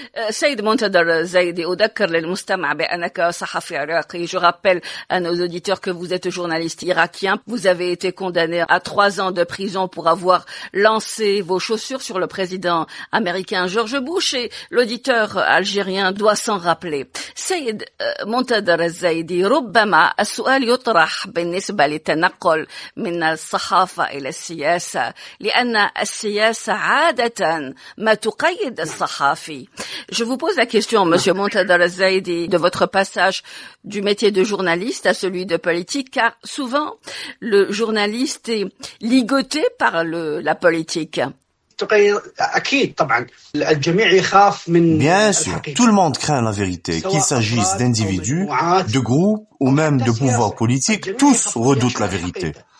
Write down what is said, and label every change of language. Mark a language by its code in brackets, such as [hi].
[ar] Sayed Montadar Zaidi, أذكر للمستمع بأنك صحفي عراقي. [fr] Je rappelle à nos auditeurs que vous êtes journaliste irakien. Vous avez été condamné à 3 ans de prison pour avoir lancé vos chaussures sur le président américain George Bush, et l'auditeur algérien doit s'en rappeler. [ar] Sayed Montadar Zaidi, ربما السؤال يطرح بالنسبة للتنقل من الصحافة إلى السياسة لأن السياسة عادة ما تقيد الصحافي. [fr] Je vous pose la question, Monsieur Montadar Zaidi, de votre passage du métier de journaliste à celui de politique, car souvent le journaliste est ligoté par la politique. Bien sûr, tout le monde craint la vérité, qu'il s'agisse d'individus, de groupes ou même de pouvoirs politiques, tous redoutent la vérité.